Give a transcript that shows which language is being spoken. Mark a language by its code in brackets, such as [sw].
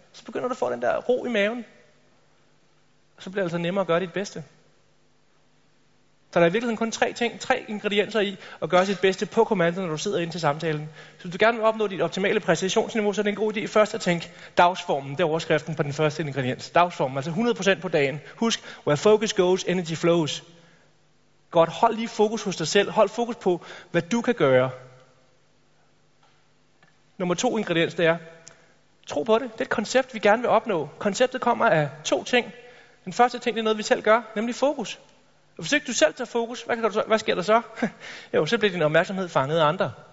[da] Så begynder du at få den der ro i maven. Så bliver det altså nemmere at gøre dit bedste. Så der er i virkeligheden kun tre ting, tre ingredienser i at gøre sit bedste på kommando, når du sidder ind til samtalen. Så hvis du gerne vil opnå dit optimale præcisionsniveau, så er det en god idé først at tænke dagsformen. Det er overskriften på den første ingrediens. Dagsformen, altså 100% på dagen. [en] Husk, where focus goes, energy flows. [da] Godt, hold lige fokus hos dig selv. Hold fokus på, hvad du kan gøre. Nummer to ingrediens, det er, tro på det. Det er et koncept, vi gerne vil opnå. Konceptet kommer af to ting. Den første ting, det er noget, vi selv gør, nemlig fokus. Og hvis ikke du selv tager fokus, hvad sker der så? Jo, så bliver din opmærksomhed fanget af andre.